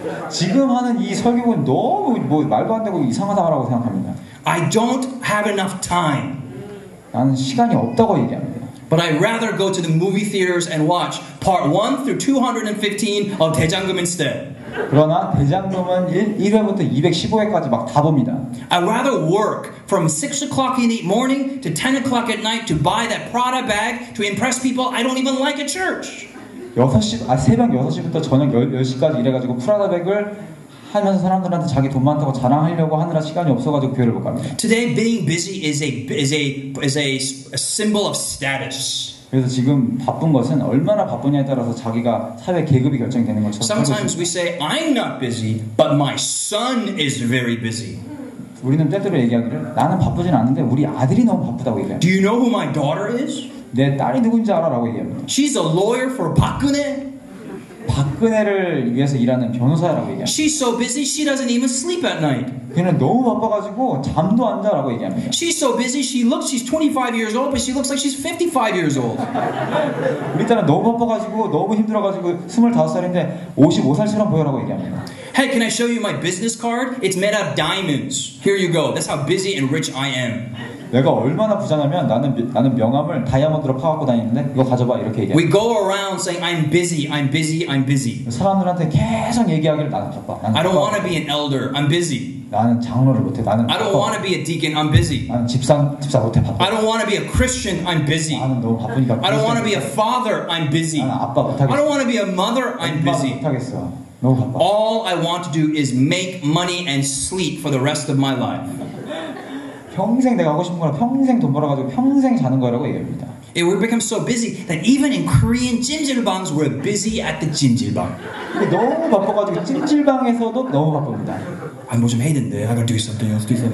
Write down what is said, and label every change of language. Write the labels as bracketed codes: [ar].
[ko] 지금 하는 이 설교는 너무 뭐 말도 안 되고 이상하다고 생각합니다. [en] I don't have enough time. [ko] 나는 시간이 없다고 얘기합니다. [en] But I'd rather go to the movie theaters and watch part 1 through 215 of 대장금 instead. [ko] 그러나 대장금은 1회부터 215회까지 막 다 봅니다. [en] I'd rather work from 6 o'clock in the morning to 10 o'clock at night to buy that Prada bag to impress people I don't even like at church. [ko] 새벽 6시부터 저녁 10시까지 일해가지고 프라다 백을 하면서 사람들한테 자기 돈 많다고 자랑하려고 하느라 시간이 없어가지고 교회를 못 갑니다. [en] Today being busy is a symbol of status. [ko] 그래서 지금 바쁜 것은 얼마나 바쁘냐에 따라서 자기가 사회 계급이 결정되는 것처럼. [en] Sometimes we say I'm not busy, but my son is very busy. [ko] 우리는 때때로 얘기하기를 나는 바쁘진 않은데 우리 아들이 너무 바쁘다고 얘기해. [en] Do you know who my daughter is? [ko] 내 딸이 누군지 알아라고 얘기합니다. [en] She's a lawyer for 박근혜. [ko] 박근혜를 위해서 일하는 변호사라고 얘기합니다. [en] She's so busy she doesn't even sleep at night. [ko] 그는 너무 바빠가지고 잠도 안 자라고 얘기합니다. [en] She's so busy she looks she's 25 years old but she looks like she's 55 years old. [ko] 우리 딸은 너무 바빠가지고 너무 힘들어가지고 25살인데 55살처럼 보여라고 얘기합니다. [en] Hey, can I show you my business card? It's made out of diamonds. Here you go. That's how busy and rich I am. [ko] 내가 얼마나 부자냐면 나는 명함을 다이아몬드로 파갖고 다니는데 이거 가져봐 이렇게 얘기해. [en] We go around saying I'm busy, I'm busy, I'm busy. [ko] 사람들한테 계속 얘기하기를 나는 바빠. [en] I don't want to be an elder. I'm busy. [ko] 나는 장로를 못해. 나는 바빠. [en] I don't want to be a deacon. I'm busy. [ko] 나는 집사 못해. 바빠. [en] I don't want to be a Christian. I'm busy. [ko] 나는 너무 바쁘니까. [en] I don't want to be a father. I'm busy. [ko] 나는 아빠 못하겠어. [en] I don't want to be a mother. I'm busy. [ko] 못하겠어. [en] All I want to do is make money and sleep for the rest of my life. [ko] 평생 내가 하고 싶은 거라 평생 돈 벌어가지고 평생 자는 거라고 얘기합니다. [en] It would become so busy that even in Korean 찜질방 we're busy at the 찜질방. [ko] 너무 바빠가지고 찜질방에서도 너무 바쁩니다. [en] I'm [ko] 뭐 좀 해야 되는데 [en] I gotta do something else.